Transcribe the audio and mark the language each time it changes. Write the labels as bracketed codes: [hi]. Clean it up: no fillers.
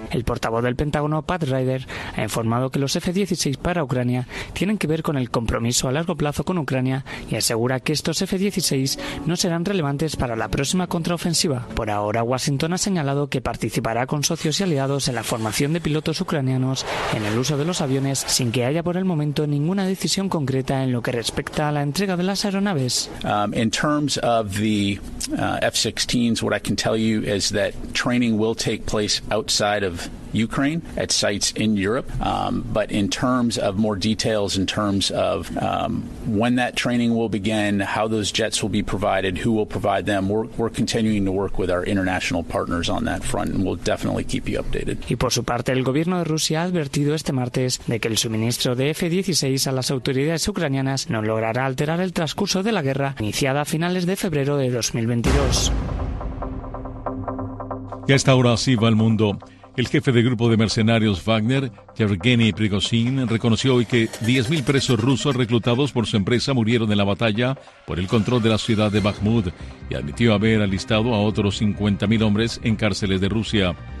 [es] El portavoz del Pentágono, Pat Ryder, ha informado que los F-16 para Ucrania tienen que ver con el compromiso a largo plazo con Ucrania y asegura que estos F-16 no serán relevantes para la próxima contraofensiva. Por ahora, Washington ha señalado que participará con socios y aliados en la formación de pilotos ucranianos en el uso de los aviones sin que haya por el momento ninguna decisión concreta en lo que respecta a la entrega de las aeronaves. [en] F-16s, what I can tell you is that training will take place outside of Ukraine at sites in Europe, but in terms of more details, in terms of when that training will begin, how those jets will be provided, who will provide them, we're continuing to work with our international partners on that front, and we'll definitely keep you updated. [es] Y por su parte, el gobierno de Rusia ha advertido este martes de que el suministro de F-16 a las autoridades ucranianas no logrará alterar el transcurso de la guerra iniciada a finales de febrero de 2022. Y a esta hora sí va el mundo. El jefe del grupo de mercenarios Wagner, Yevgeny Prigozhin, reconoció hoy que 10.000 presos rusos reclutados por su empresa murieron en la batalla por el control de la ciudad de Bakhmut y admitió haber alistado a otros 50.000 hombres en cárceles de Rusia.